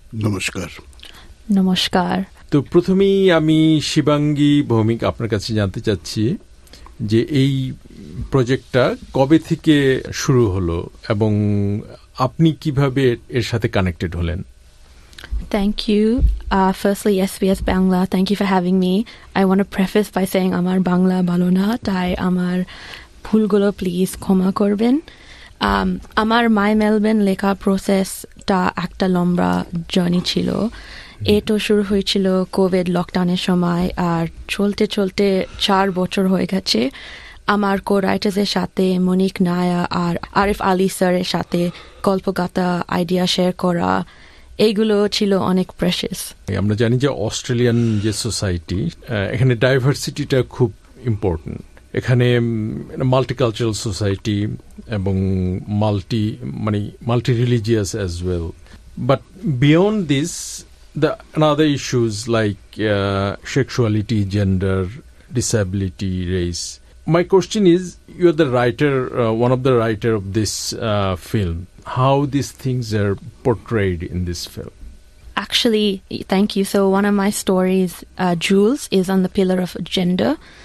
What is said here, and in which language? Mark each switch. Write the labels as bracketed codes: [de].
[bn] নমস্কার। নমস্কার। তো প্রথমেই আমি শিবাঙ্গী ভৌমিক আপনার কাছে জানতে চাচ্ছি যে এই প্রজেক্টটা কবে থেকে শুরু হলো এবং আপনি কিভাবে এর সাথে কানেক্টেড হলেন? [en] Thank you. Firstly, SBS Bangla, thank you for having me. I want to preface by saying [bn] amar bangla bhalo na tai amar bhul gulo please khoma korben. Amar my Melbourne lekha process ta ekta lomba journey chilo. Eto shuru hoychilo covid lockdown er shomoy ar cholte cholte 4 bochor hoye geche. আমার কো রাইটার্সের সাথে মনিক নায়া আর আরিফ আলী স্যারের সাথে গল্পগাতা idea share করা, এইগুলো ছিল অনেক precious. আমরা জানি যে অস্ট্রেলিয়ান যে সোসাইটি, এখানে ডাইভার্সিটিটা খুব ইম্পর্টেন্ট। এখানে মাল্টিকালচারাল সোসাইটি এবং মাল্টি মানে multi religious as well. [en] But beyond this the another issues like sexuality, gender, disability, race. My question is, you are the writer, one of the writer of this film. How these things are portrayed in this film? Actually, thank you. So one of my stories, Jules, is on the pillar of gender.